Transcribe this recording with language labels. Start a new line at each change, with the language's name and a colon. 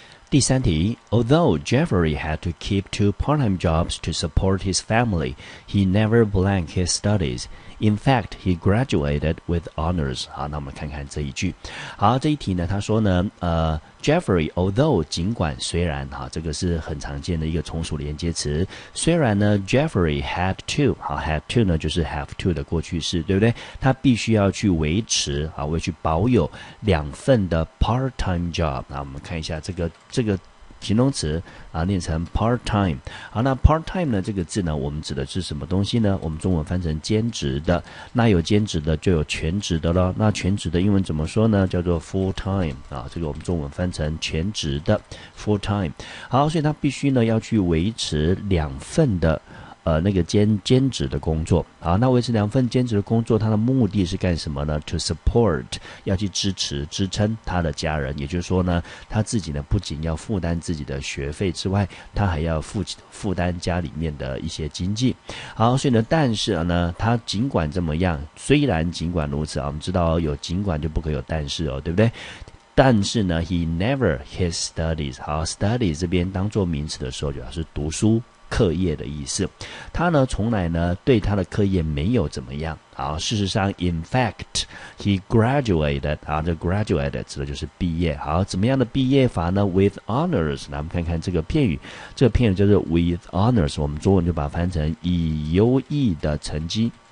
English: 第三题 Although Jeffrey had to keep two part-time jobs to support his family, he never blanked his studies. In fact, he graduated with honors.
Chinese: 好，那我们看看这一句。好，这一题呢，他说呢，Jeffrey, although, 尽管虽然，这个是很常见的一个从属连接词。虽然呢 ,Jeffrey had to, had to 呢就是 have to 的过去式，对不对？他必须要去维持，会去保有两份的 part-time job。那我们看一下这个形容词念成 part-time。好，那 part-time 呢这个字呢我们指的是什么东西呢？我们中文翻成兼职的。那有兼职的就有全职的咯。那全职的英文怎么说呢？叫做 full-time。这个我们中文翻成全职的 full-time。好，所以他必须呢要去维持两份的那个兼职的工作。好，那维持两份兼职的工作，他的目的是干什么呢？
English: To support，
Chinese: 要去支撑他的家人。也就是说呢，他自己呢不仅要负担自己的学费之外，他还要负担家里面的一些经济。好，所以呢，但是呢，他尽管这么样，虽然尽管如此，我们知道有尽管就不可以有但是哦，对不对？但是呢
English: ，he never his studies。
Chinese: 好 ，study 这边当做名词的时候，主要是读书。课业的意思，他呢从来呢对他的课业没有怎么样。好，事实上 ，
English: in fact， he graduated，
Chinese: 啊，这 graduated 指的就是毕业。好，怎么样的毕业法呢 ？With honors， 那我们看看这个片语，这个片语就是 with honors， 我们中文就把它翻成以优异的成绩。